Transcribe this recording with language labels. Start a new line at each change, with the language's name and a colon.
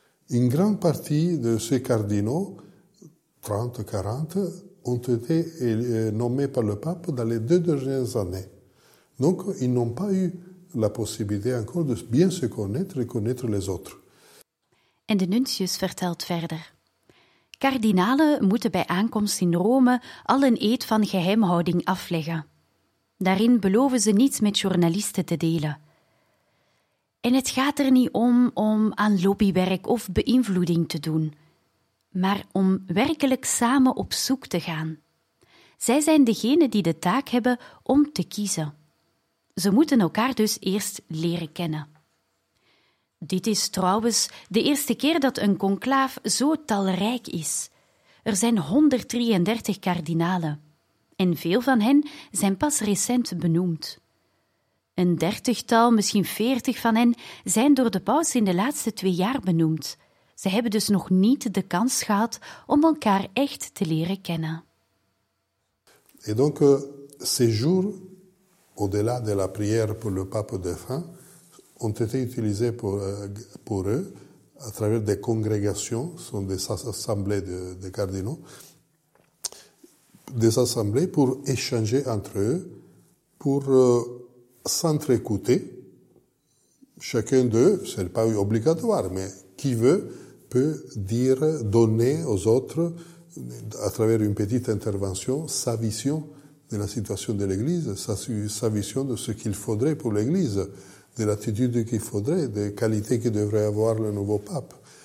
French: Une grande partie de ces cardinaux, 30-40, ont été nommés par le pape dans les deux dernières années. Donc, ils n'ont pas eu la possibilité encore de bien se connaître et connaître les autres.
Dutch: En de nuncius vertelt verder. Kardinalen moeten bij aankomst in Rome al een eed van geheimhouding afleggen. Daarin beloven ze niets met journalisten te delen. En het gaat er niet om aan lobbywerk of beïnvloeding te doen, maar om werkelijk samen op zoek te gaan. Zij zijn degene die de taak hebben om te kiezen. Ze moeten elkaar dus eerst leren kennen. Dit is trouwens de eerste keer dat een conclaaf zo talrijk is. Er zijn 133 kardinalen en veel van hen zijn pas recent benoemd. Een dertigtal, misschien 40 van hen, zijn door de paus in de laatste 2 jaar benoemd. Ze hebben dus nog niet de kans gehad om elkaar echt te leren kennen.
French: Et donc, ces jours, au-delà de la prière pour le pape défunt, ont été utilisés pour eux à travers des congrégations, ce sont des assemblées de cardinaux, des assemblées pour échanger entre eux, pour s'entre-écouter, chacun d'eux, ce n'est pas obligatoire, mais qui veut peut dire, donner aux autres, à travers une petite intervention, sa vision de la situation de l'Église, sa vision de ce qu'il faudrait pour l'Église, de l'attitude qu'il faudrait, des qualités que devrait avoir le nouveau pape.